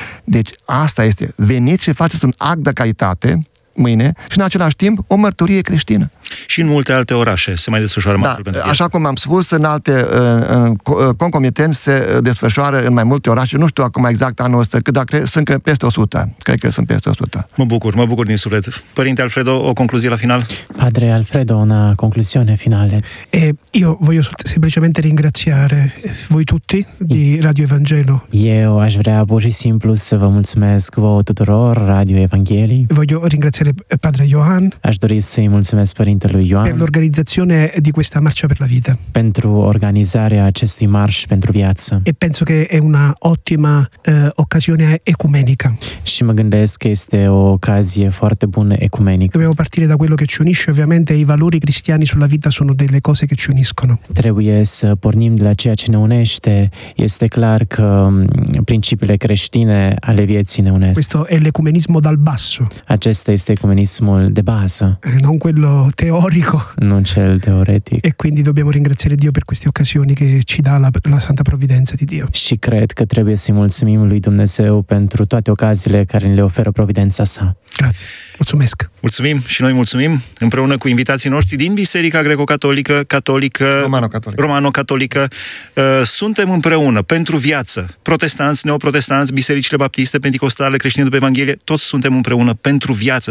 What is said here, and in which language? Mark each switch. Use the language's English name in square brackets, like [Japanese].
[Romanian] Deci asta este. Veniți și faceți un act de caritate mâine și în același timp o mărturie creștină. Și în multe alte orașe se mai desfășoară Marșul pentru Viață. Așa cum am spus, în alte concomitenți se desfășoară în mai multe orașe. Nu știu acum exact anul ăsta, cât, dar sunt că peste 100. Cred că sunt peste 100. Mă bucur din suflet. Părinte Alfredo, o concluzie la final? [Italian] Padre Alfredo, una concluzione finale. Io voglio semplicemente ringraziare voi tutti di Radio Evangelo. [Romanian] Eu aș vrea pur și simplu să vă mulțumesc vouă tuturor Radio Evangelii. [Italian] Voglio ringraziare Padre Johann. [Romanian] Aș dori să-i mulțumesc Părintelui Ioan, [Italian] per l'organizzazione di questa marcia per la vita. [Romanian] Pentru organizarea acestui marș pentru viață. [Italian] E penso che è una ottima occasione ecumenica. [Romanian] Și mă gândesc că este o ocazie foarte bună ecumenică. [Italian] Dobbiamo partire da quello che ci unisce, ovviamente i valori cristiani sulla vita sono delle cose che ci uniscono. [Romanian] Trebuie să pornim de la ceea ce ne unește. Este clar că principiile creștine ale vieții ne unesc. [Italian] Questo è l'ecumenismo dal basso. [Romanian] Acesta este ecumenismul de bază. [Italian] Non quello teorico. Non c'è il teoretico. E quindi dobbiamo ringraziare Dio per queste occasioni che ci dà la santa provvidenza di Dio. [Romanian] Și cred că trebuie să-i mulțumim lui Dumnezeu pentru toate ocaziile care ne le oferă providența sa. [Italian] Grazie. [Romanian] Mulțumesc. Mulțumim și noi mulțumim împreună cu invitații noștri din Biserica Greco-Catolică, Catolică, Romano-Catolică. Suntem împreună pentru viață. Protestanți, neoprotestanți, bisericile baptiste, penticostale, creștini după Evanghelie, toți suntem împreună pentru viață.